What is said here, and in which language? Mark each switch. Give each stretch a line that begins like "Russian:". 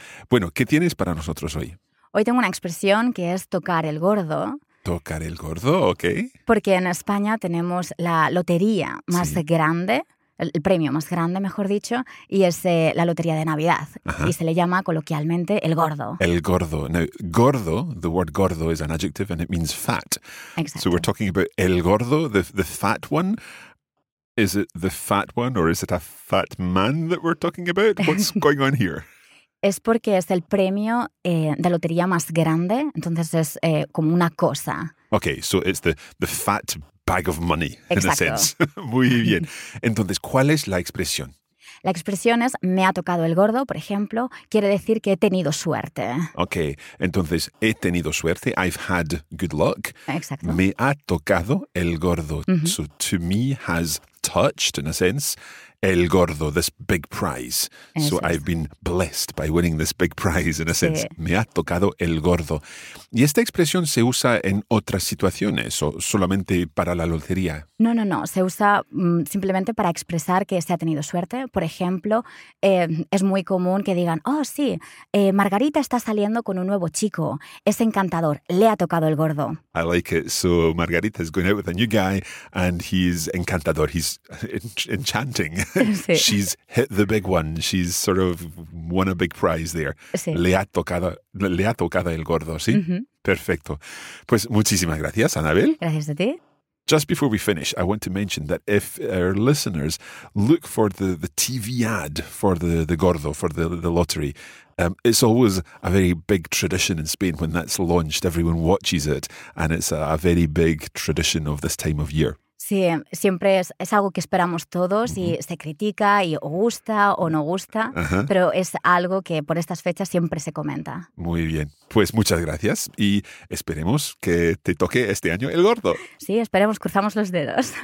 Spanish: Bueno, ¿qué tienes para nosotros hoy? Hoy tengo una expresión que es tocar el gordo. ¿Tocar el gordo? Ok. Porque en España tenemos la lotería más sí. grande, el premio más grande, mejor dicho, y es la lotería de Navidad. Ajá. Y se le llama coloquialmente el gordo. El gordo.
English: Now, gordo, the word gordo is an adjective and it means fat.
Spanish: Exacto.
English: So we're talking about el gordo, the fat one. Is it the fat one or is it a fat man that we're talking about? What's going on here?
Spanish: Es porque es el premio de lotería más grande, entonces es como una cosa.
English: Okay, so it's the fat bag of money,
Spanish: exacto,
English: in a sense.
Spanish: Muy bien. Entonces, ¿cuál es la expresión? La expresión es, me ha tocado el gordo, por ejemplo, quiere decir que he tenido suerte.
English: Okay,
Spanish: entonces, he tenido suerte,
English: I've had good luck.
Spanish: Exacto. Me ha tocado el gordo. Uh-huh.
English: So, to me has touched, in a sense, el gordo, this big prize.
Spanish: Eso
English: so,
Spanish: es.
English: I've been blessed by winning this big prize, in a sense.
Spanish: Me ha tocado el gordo. ¿Y esta expresión se usa en otras situaciones o solamente para la lotería? No. Se usa simplemente para expresar que se ha tenido suerte. Por ejemplo, es muy común que digan, oh, sí, Margarita está saliendo con un nuevo chico. Es encantador. Le ha tocado el gordo.
English: I like it. So, Margarita is going out with a new guy and he's encantador. He's enchanting.
Spanish: Sí.
English: She's hit the big one. She's sort of won a big prize there.
Spanish: Sí. Le ha tocado el gordo, ¿sí? Mm-hmm. Perfecto. Pues muchísimas gracias, Anabel. Gracias a ti.
English: Just before we finish, I want to mention that if our listeners look for the TV ad for the gordo, for the lottery, it's always a very big tradition in Spain when that's launched. Everyone watches it, and it's a very big tradition of this time of year.
Spanish: Sí, siempre es algo que esperamos todos y se critica y o gusta o no gusta, pero es algo que por estas fechas siempre se comenta. Muy bien, pues muchas gracias y esperemos que te toque este año el gordo. Sí, esperemos, cruzamos los dedos.